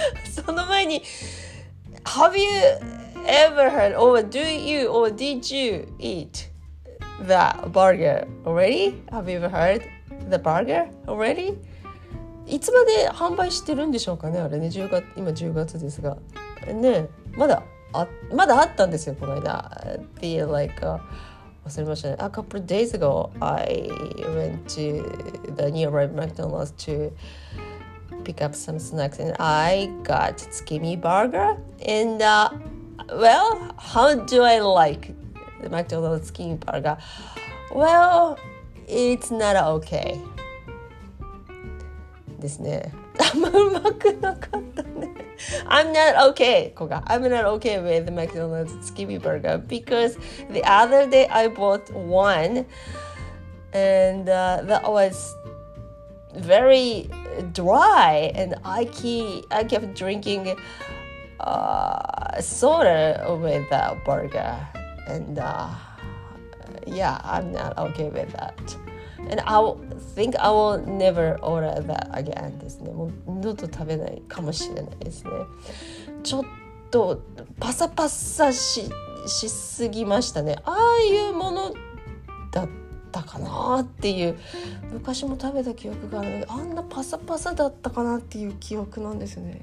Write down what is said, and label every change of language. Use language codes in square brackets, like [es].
[ja] その前に [en] Have you ever heard or do you or did you eat the burger already? Have you ever heard the burger already? [ja] いつまで販売してるんでしょうかね、あれね。10月、今10月ですが、ね、まだあったんですよこの間。 The like、忘れましたね。 [en] A couple of days ago I went to the nearby McDonald's toPick up some snacks and I got Tsukimi burger. And well, how do I like the McDonald's Tsukimi burger? Well, it's not okay. [ja] ですね。あんまうまくなかったね。 [en] I'm not okay, Koga. I'm not okay with the McDonald's Tsukimi burger because the other day I bought one and that was very. Dry and I kept drinking soda with that burger and yeah I'm not okay with that and I think I will never order that again ですね。 [ja] もう二度と食べないかもしれないですね。ちょっとパサパサしすぎましたね。ああいうものだったかなっていう、昔も食べた記憶があるので、あんなパサパサだったかなっていう記憶なんですね。